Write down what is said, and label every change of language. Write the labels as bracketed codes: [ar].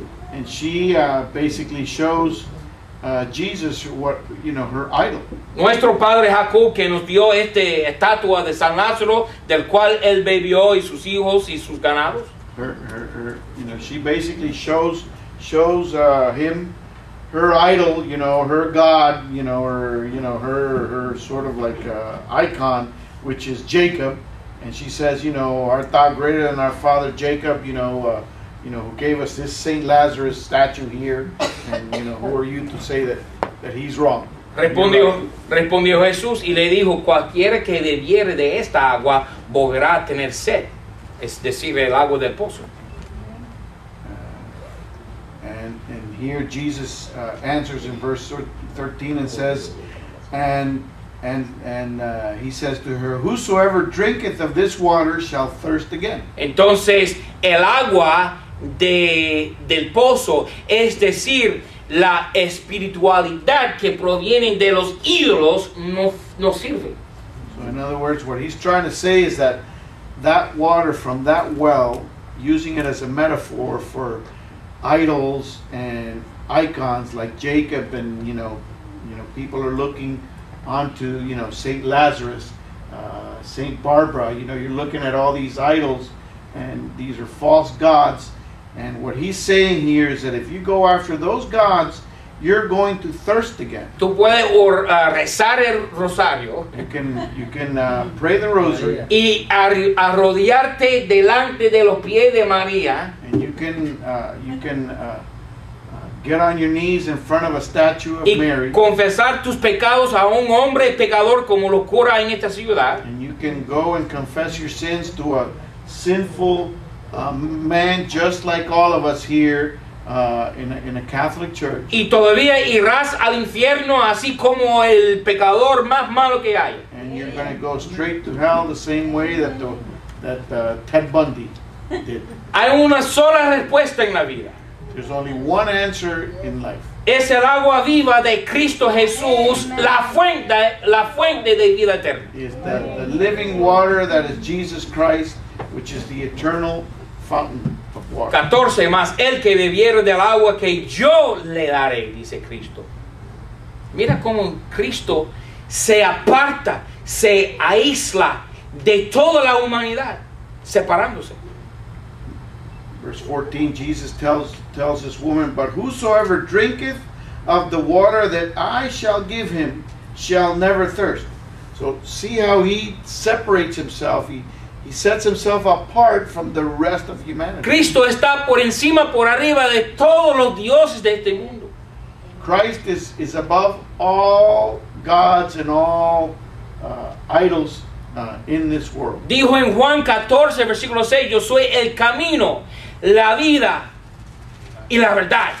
[en] And she basically shows Jesus, what, you know, her idol. [es] Nuestro padre Jacob, que nos dio esta estatua de San Lázaro, del cual él bebió y sus hijos y sus ganados. [en] Her, you know, she basically shows him her idol, you know, her god, you know, or, you know, her sort of like icon, which is Jacob. And she says, you know, art thou greater than our father Jacob, you know, who gave us this Saint Lazarus statue here, and, you know, who are you to say that he's wrong? [es] Respondió Jesús y le dijo, cualquiera que bebiere de esta agua volverá a tener sed. Es decir, el agua del pozo. [en] And here Jesus answers in verse 13 and says, he says to her, whosoever drinketh of this water shall thirst again. [es] Entonces, el agua del pozo, es decir, la espiritualidad que proviene de los ídolos, no sirve. [en] So in other words, what he's trying to say is that that water from that well, using it as a metaphor for idols and icons like Jacob, and you know people are looking onto, you know, Saint Lazarus, Saint Barbara, you know, you're looking at all these idols and these are false gods. And what he's saying here is that if you go after those gods, you're going to thirst again. [es] Tú puedes rezar el rosario. [en] You can pray the rosary. [es] Y arrodillarte delante de los pies de María. [en] And you can get on your knees in front of a statue of Mary. [es] Y confesar tus pecados a un hombre pecador como lo cura en esta ciudad. [en] And you can go and confess your sins to a sinful man just like all of us here. In a Catholic church. [es] Y todavía irás al infierno así como el pecador más malo que hay. [en] And you're going to go straight to hell the same way that Ted Bundy did. [es] Hay una sola respuesta en la vida. [en] There's only one answer in life. [es] Es el agua viva de Cristo Jesús, la fuente de vida eterna. [en] Is the living water that is Jesus Christ, which is the eternal fountain. [es] 14, más el que bebiere del agua que yo le daré, dice Cristo. Mira cómo Cristo se aparta, se aísla de toda la humanidad, separándose. [en] Verse 14, Jesus tells this woman, but whosoever drinketh of the water that I shall give him shall never thirst. So see how he separates himself. He sets himself apart from the rest of humanity. [es] Cristo está por encima, por arriba de todos los dioses de este mundo. [en] Christ is above all gods and all idols in this world. [es] Dijo en Juan 14, versículo 6, yo soy el camino, la vida y la verdad.